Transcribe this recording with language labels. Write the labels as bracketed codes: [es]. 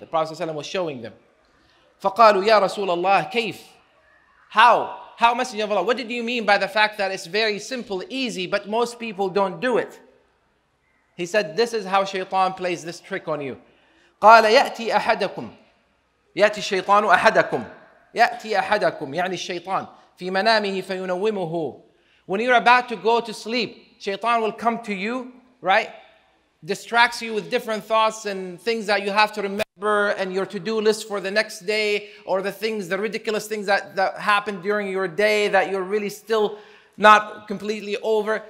[en] The Prophet ﷺ was showing them. [ar] فَقَالُوا يَا رَسُولَ اللَّهِ كَيْفِ. [en] How? How, Messenger of Allah? What did you mean by the fact that it's very simple, easy, but most people don't do it? He said, this is how shaitan plays this trick on you. [ar] قَالَ يَأْتِي أَحَدَكُمْ. يَأْتِي الشَّيْطَانُ أَحَدَكُمْ. يَأْتِي أَحَدَكُمْ, يعني الشيطان. فِي مَنَامِهِ فَيُنَوِّمُهُ. [en] When you're about to go to sleep, shaitan will come to you, right? Distracts you with different thoughts and things that you have to remember and your to-do list for the next day, or the things, the ridiculous things that happened during your day that you're really still not completely over.